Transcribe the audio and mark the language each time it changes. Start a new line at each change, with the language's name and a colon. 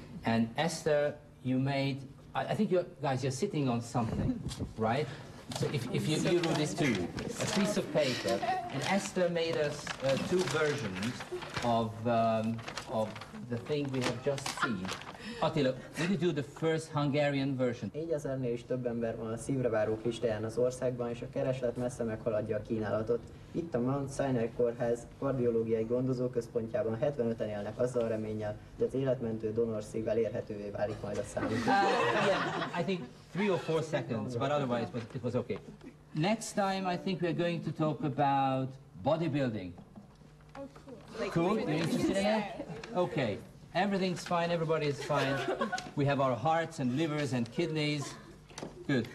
English: And Esther, you made. I think you're sitting on something, right? So if you do this too, a piece of paper, and Esther made us two versions of the thing we have just seen. Attila, will you do the first Hungarian version?
Hungarian: 4000-nél is több ember van a szívreváró listáján az országban, és a kereslet messze meghaladja a kínálatot. Itt a Mount Sinai Kórház kardiológiai gondozóközpontjában 75-en élnek azzal a reménnyel, hogy az életmentő donorszívvel érhetővé válik majd a számunk.
English: I think 3 or 4 seconds, but otherwise it was okay. Next time I think we're going to talk about bodybuilding. Oh, cool. Cool? You're interested in that? Okay. Everything's fine, everybody is fine. We have our hearts and livers and kidneys. Good.